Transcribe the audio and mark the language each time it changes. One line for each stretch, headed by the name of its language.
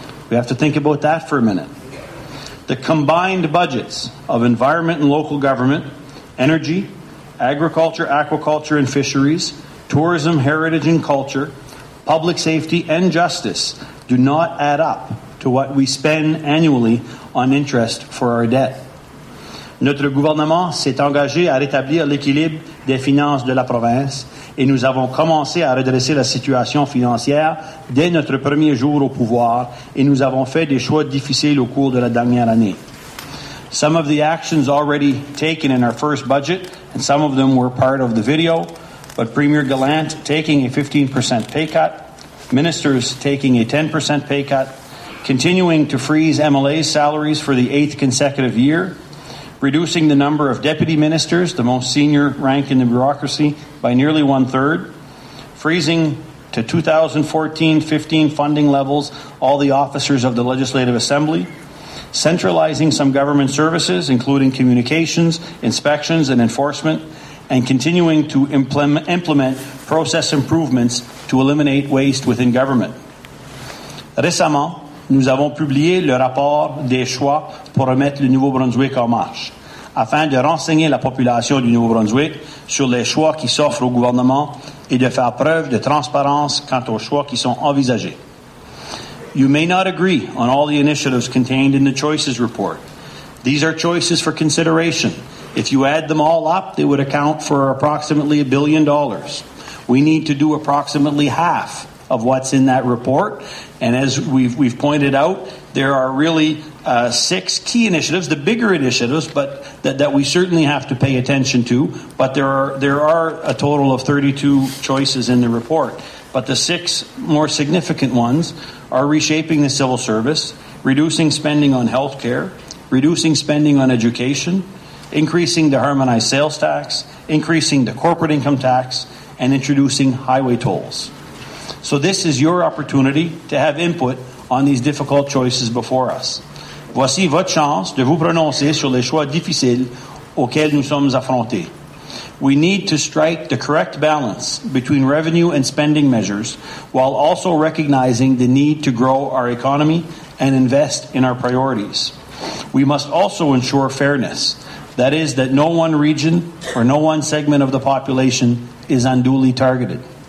English: We have to think about that for a minute. The combined budgets of environment and local government, energy, agriculture, aquaculture and fisheries, tourism, heritage and culture, public safety and justice do not add up to what we spend annually on interest for our debt.
French: Notre gouvernement s'est engagé à rétablir l'équilibre des finances de la province et nous avons commencé à redresser la situation financière dès notre premier jour au pouvoir et nous avons fait des choix difficiles au cours de la dernière année.
English: Some of the actions already taken in our first budget, and some of them were part of the video, but Premier Gallant taking a 15% pay cut, ministers taking a 10% pay cut, continuing to freeze MLA's salaries for the eighth consecutive year, reducing the number of deputy ministers, the most senior rank in the bureaucracy, by nearly one-third, freezing to 2014-15 funding levels all the officers of the Legislative Assembly, centralizing some government services, including communications, inspections, and enforcement, and continuing to implement process improvements to eliminate waste within government.
French: Récemment, nous avons publié le rapport des choix pour remettre le Nouveau-Brunswick en marche, afin de renseigner la population du Nouveau-Brunswick sur les choix qui s'offrent au gouvernement et de faire preuve de transparence quant aux choix qui sont envisagés.
English: You may not agree on all the initiatives contained in the choices report. These are choices for consideration. If you add them all up, they would account for approximately $1 billion. We need to do approximately half of what's in that report. And as we've pointed out, there are really six key initiatives, the bigger initiatives, but that we certainly have to pay attention to. But there are a total of 32 choices in the report. But the six more significant ones are reshaping the civil service, reducing spending on health care, reducing spending on education, increasing the harmonized sales tax, increasing the corporate income tax, and introducing highway tolls. So this is your opportunity to have input on these difficult choices before us.
French: Voici votre chance de vous prononcer sur les choix difficiles auxquels nous sommes affrontés.
English: We need to strike the correct balance between revenue and spending measures while also recognizing the need to grow our economy and invest in our priorities. We must also ensure fairness, that is, that no one region or no one segment of the population is unduly targeted.